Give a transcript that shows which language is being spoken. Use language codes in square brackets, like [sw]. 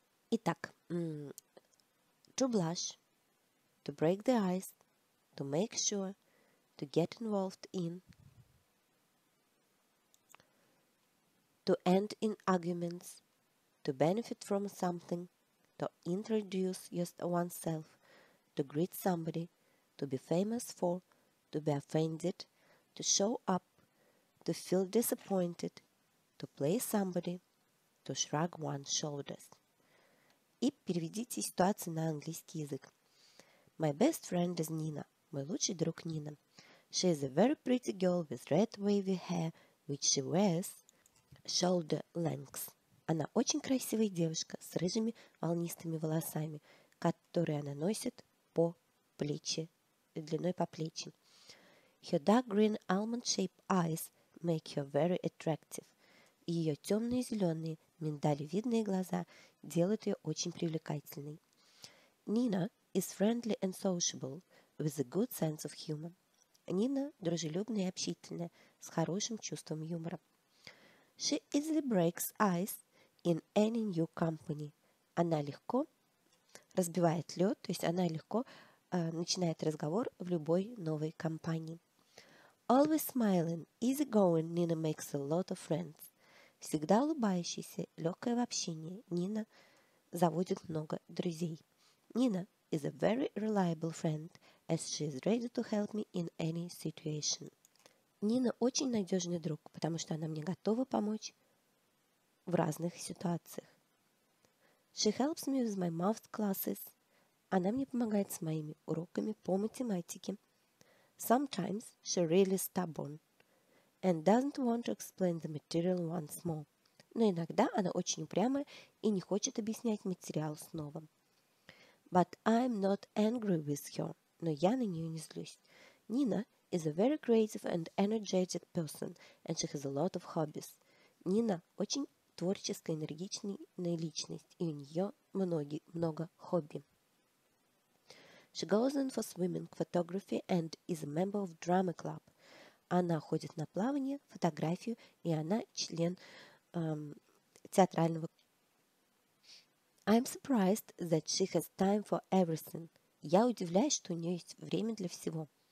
[en] Итак, to blush, to break the ice, to make sure, to get involved in, to end in arguments, to benefit from something, to introduce oneself, to greet somebody, to be famous for, to be offended, to show up, to feel disappointed, to play somebody, to shrug one's shoulders. [ru] И переведите ситуацию на английский язык. [en] My best friend is Nina. [ru] Мой лучший друг Нина. [en] She is a very pretty girl with red wavy hair, which she wears shoulder lengths. [ru] Она очень красивая девушка с рыжими волнистыми волосами, которые она носит по плечи, длиной по плечи. [en] Her dark green almond-shaped eyes make her very attractive. [ru] Ее темные зеленые миндалевидные глаза делают ее очень привлекательной. [en] Nina is friendly and sociable with a good sense of humor. [ru] Нина дружелюбная и общительная, с хорошим чувством юмора. [en] She easily breaks ice in any new company. [ru] Она легко разбивает лед, то есть она легко начинает разговор в любой новой компании. [en] Always smiling, easygoing, Nina makes a lot of friends. [ru] Всегда улыбающаяся, легкая в общении, Нина заводит много друзей. [en] Nina is a very reliable friend, as she is ready to help me in any situation. [ru] Нина очень надежный друг, потому что она мне готова помочь в разных ситуациях. [en] She helps me with my math classes. [ru] Она мне помогает с моими уроками по математике. [en] Sometimes she really stubborn and doesn't want to explain the material once more. [ru] Но иногда она очень упрямая и не хочет объяснять материал снова. [en] But I'm not angry with her. [ru] Но я на нее не злюсь. [en] Нина is a very creative and energetic person, and she has a lot of hobbies. [ru] Нина очень творческая, энергичная личность, и у нее много хобби. [en] She goes in for swimming, photography, and is a member of drama club. [ru] Она ходит на плавание, фотографию, и она член театрального. [en] I'm surprised that she has time for everything. [ru] Я удивляюсь, что у нее есть время для всего.